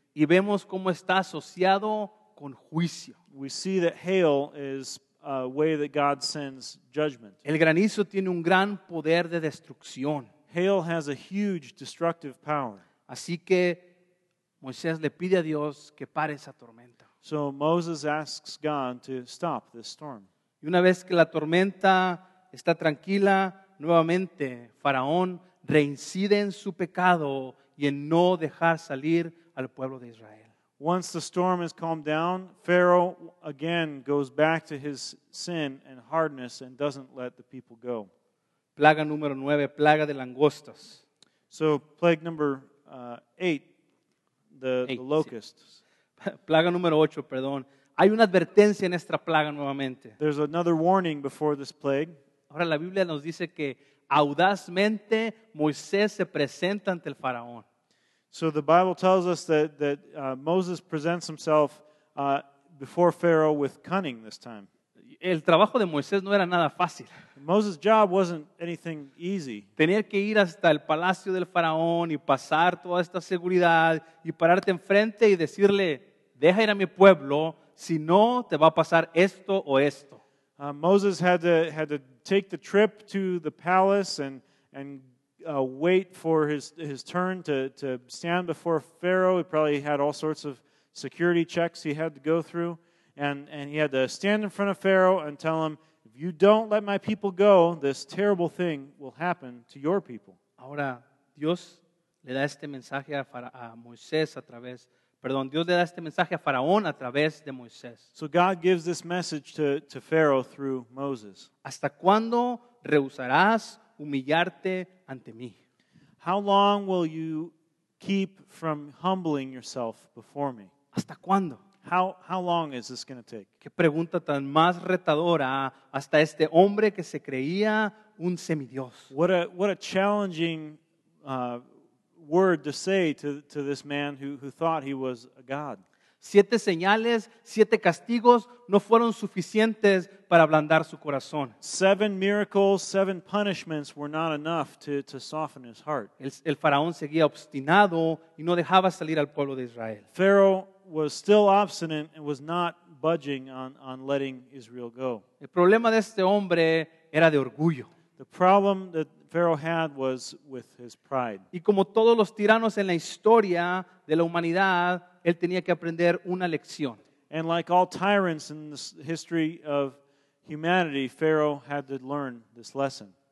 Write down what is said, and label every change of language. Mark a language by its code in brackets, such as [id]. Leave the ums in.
[en] We see that hail is a way that God sends judgment. The granizo has a great power of de destruction. Hail has a huge destructive power. [es] Así que Moisés le pide a Dios que pare esa tormenta. [en] So Moses asks God to stop the storm. [es] Y una vez que la tormenta está tranquila, nuevamente Faraón reincide en su pecado y en no dejar salir al pueblo de Israel. [en] Once the storm has calmed down, Pharaoh again goes back to his sin and hardness and doesn't let the people go. [es] Plaga número nueve, plaga de langostas. [en] So, plague number uh, eight, the, eight, the locusts. Sí. [es] Plaga número ocho, perdón. Hay una advertencia en esta plaga nuevamente. [en] There's another warning before this plague. [es] Ahora la Biblia nos dice que audazmente Moisés se presenta ante el faraón. [en] So the Bible tells us that, that uh, Moses presents himself uh, before Pharaoh with cunning this time [es] el trabajo de Moisés no era nada fácil. [en] Moses' job wasn't anything easy. [es] Tener que ir hasta el palacio del faraón y pasar toda esta seguridad y pararte enfrente y decirle, deja ir a mi pueblo, si no te va a pasar esto o esto. [en] Uh, Moses had to, had to take the trip to the palace and, and uh, wait for his, his turn to, to stand before Pharaoh. He probably had all sorts of security checks he had to go through and, and he had to stand in front of Pharaoh and tell him, If you don't let my people go, this terrible thing will happen to your people. [es] Ahora, Dios le da este mensaje a, Fara- a Moisés a través. Perdón, Dios le da este mensaje a Faraón a través de Moisés. [en] So God gives this message to, to Pharaoh through Moses. [es] ¿Hasta cuándo rehusarás humillarte ante mí? [en] How long will you keep from humbling yourself before me? How long? How, how long is this going to take? What a, what a, challenging uh, word to say to, to this man who, who thought he was a god. [es] Siete señales, siete castigos no fueron suficientes para ablandar su corazón. [en] Seven miracles, seven punishments were not enough to, to soften his heart. [es] El, el faraón seguía obstinado y no dejaba salir al pueblo de Israel. [en] Pharaoh was still obstinate and was not budging on, on letting Israel go. The problem that Pharaoh had was with his pride. [es] Y como todos los tiranos en la historia de la humanidad, él tenía que aprender [en] And like all tyrants in the history of humanity, Pharaoh had to learn this lesson.